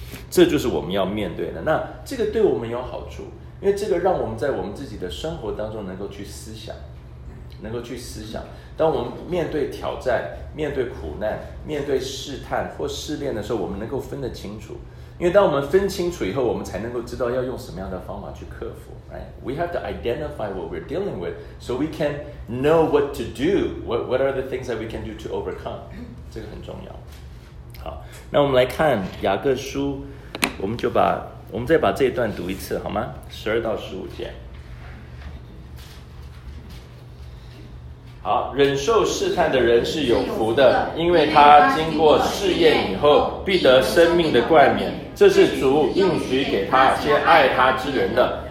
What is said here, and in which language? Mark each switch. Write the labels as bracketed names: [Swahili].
[Chinese] 这就是我们要面对的。那这个对我们有好处，因为这个让我们在我们自己的生活当中能够去思想，能够去思想，当我们面对挑战、面对苦难、面对试探或试炼的时候，我们能够分得清楚。因为当我们分清楚以后，我们才能够知道要用什么样的方法去克服。 [English] Right? We have to identify what we're dealing with so we can know what to do. What are the things that we can do to overcome? [Chinese] 这个很重要。好，那我们来看雅各书，我们再把这一段读一次好吗？ 12-15节。好，忍受试探的人是有福的，因为他经过试验以后必得生命的冠冕，这是主应许给他且爱他之人的。